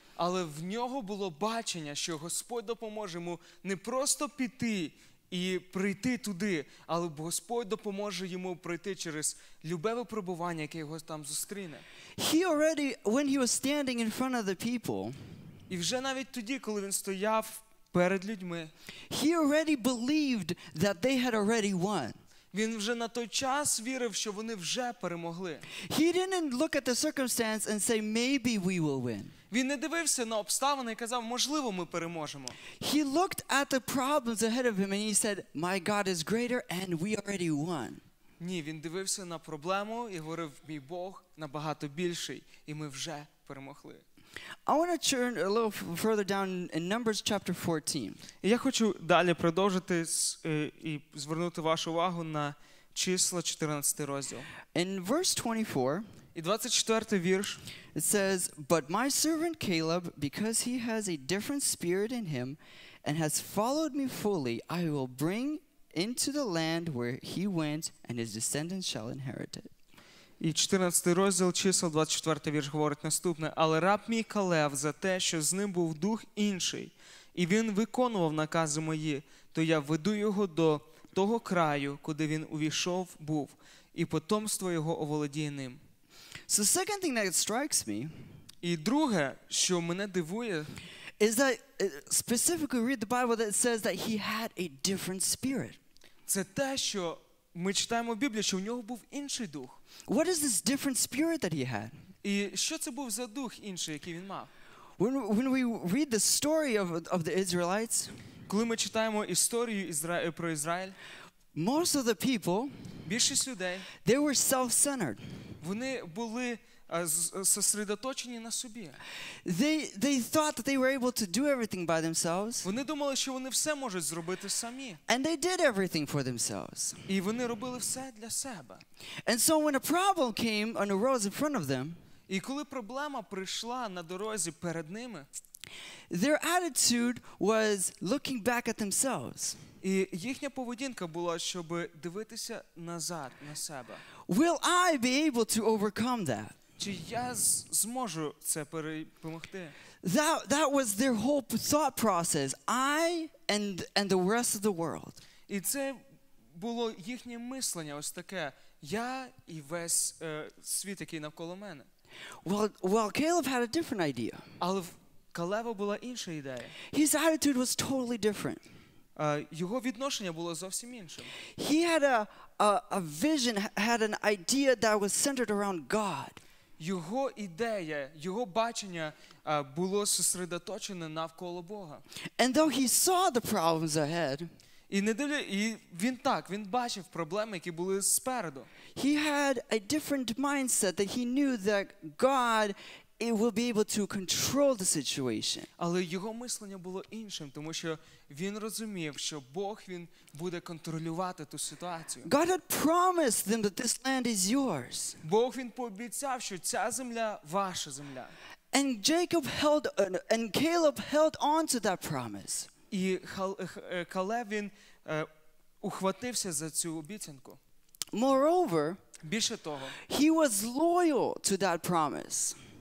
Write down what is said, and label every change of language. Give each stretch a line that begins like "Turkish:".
Ukrainian: Але в нього було бачення, що Господь допоможе йому не просто піти і прийти туди, але Господь допоможе йому пройти через любе випробування, яке його там зустріне.
English: He already, when he was standing in front of the people,
Ukrainian: і вже навіть тоді, коли він стояв перед людьми,
English: he already believed that they had already won.
Ukrainian: Він вже на той час вірив, що вони вже перемогли.
English: He didn't look at the circumstance and say, maybe we will win.
Ukrainian: Він не дивився на обставини і казав, можливо, ми переможемо.
English: He looked at the problems ahead of him and he said, my God is greater and we already won.
Ukrainian: Ні, він дивився на проблему і говорив, мій Бог набагато більший, і ми вже перемогли.
English: I want to turn a little further down in Numbers chapter 14.
Ukrainian: Я хочу далі продовжити і звернути вашу увагу на числа 14 розділ.
English: In verse 24,
Ukrainian: і 24 вірш,
English: it says, but my servant Caleb, because he has a different spirit in him and has followed me fully, I will bring into the land where he went and his descendants shall inherit it.
Ukrainian: І 14 розділ чисел, 24 вірш говорить наступне. Але раб мій Калев за те, що з ним був дух інший, і він виконував накази мої, то я веду його до того краю, куди він увійшов, був, і потомство його оволодіє ним.
English: So the second thing that strikes me,
Ukrainian: і друге, що мене дивує,
English: is that specifically read the Bible that says that he had a different spirit.
Ukrainian: Це те, що ми читаємо в Біблії, що у нього був інший дух.
English: What is this different spirit that he had?
Ukrainian: І що це був за дух інший, який він мав?
English: When we read the story of the Israelites,
Ukrainian: коли ми читаємо історію про Ізраїль,
English: most of the people,
Ukrainian: більшість людей,
English: they were self-centered.
Ukrainian: Вони були сосредоточені на собі.
English: They thought that they were able to do everything by themselves.
Ukrainian: Вони думали, що вони все можуть зробити самі.
English: And they did everything for themselves.
Ukrainian: І вони робили все для себе.
English: And so when a problem came and arose in front of them,
Ukrainian: і коли проблема прийшла на дорозі перед ними,
English: their attitude was looking back at themselves.
Ukrainian: І їхня поведінка була, щоб дивитися назад на себе.
English: Will I be able to overcome that?
Ukrainian: Чи я зможу це перемогти?
English: That was their whole thought process. I and the rest of the world.
Ukrainian: І це було їхнє мислення, ось таке. Я і весь світ, який навколо мене.
English: Well, Caleb had a different idea.
Ukrainian: Але в Калеву була інша ідея.
English: His attitude was totally different.
Ukrainian: Його відношення було зовсім іншим.
English: He had a vision, had an idea that was centered around God.
Ukrainian: Його ідея, його бачення було сосредоточене навколо Бога.
English: And though he saw the problems ahead,
Ukrainian: і не дивлячись, він бачив проблеми, які були спереду.
English: He had a different mindset that he knew that God will be able to control the situation.
Ukrainian: Але його мислення було іншим, тому що він розумів, що Бог, він буде контролювати ту ситуацію.
English: God had promised them that this land is yours.
Ukrainian: Бог, він пообіцяв, що ця земля ваша земля.
English: And Jacob held and Caleb held on to that promise.
Ukrainian: І Калев, він ухватився за цю обіцянку.
English: Moreover,
Ukrainian: більше того,
English: he was loyal to that promise.